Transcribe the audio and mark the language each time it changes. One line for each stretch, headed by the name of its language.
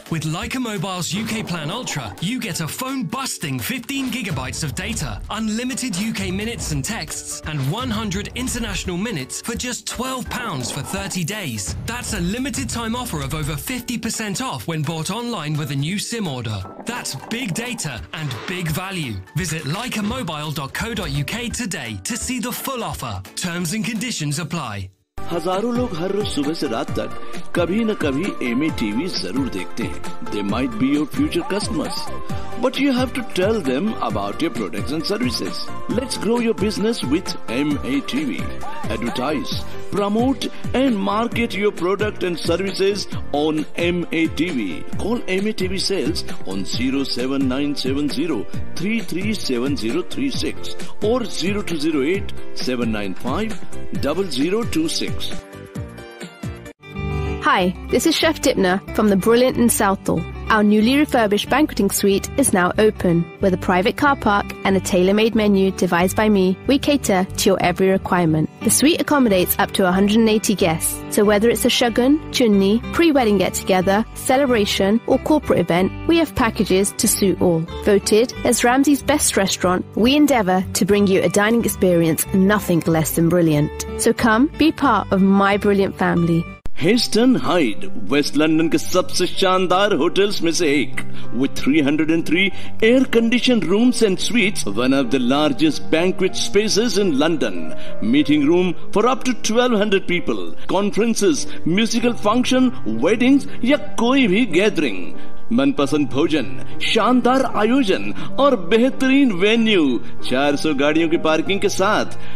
English: With Leica Mobile's UK Plan Ultra, you get a phone-busting 15 gigabytes of data, unlimited UK minutes and texts, and 100 international minutes for just £12 for 30 days. That's a limited-time offer of over 50% off when bought online with a new SIM order. That's big data and big value. Visit leicamobile.co.uk today to see the full offer. Terms and conditions apply.
Hindi: हजारों लोग हर रोज सुबह से रात तक कभी न कभी MA TV जरूर देखते हैं.
English: They might be your future customers, but you have to tell them about your products and services. Let's grow your business with MA TV. Advertise, promote and market your product and services on MA TV. Call MA TV sales on 07970-337036 और 0208-795-0026. Hi, this is Chef Dipna from the Brilliant in Southall. Our newly refurbished banqueting suite is now open. With a private car park and a tailor-made menu devised by me, we cater to your every requirement. The suite accommodates up to 180 guests. So whether it's a shogun, chunni, pre-wedding get-together, celebration, or corporate event, we have packages to suit all. Voted as Ramsay's best restaurant, we endeavor to bring you a dining experience nothing less than brilliant. So come, be part of my brilliant family.
Hindi: Hasten hide waste London के सबसे शानदार hotels में से एक,
English: with 303 air condition rooms and suites, one of the largest banquet spaces in London, meeting room for up to 1200 people, conferences, musical function, weddings
Hindi: या कोई भी gathering, मनपसंद भोजन, शानदार आयोजन और बेहतरीन वेन्यू, 400 गाड़ियों की पार्किंग के साथ.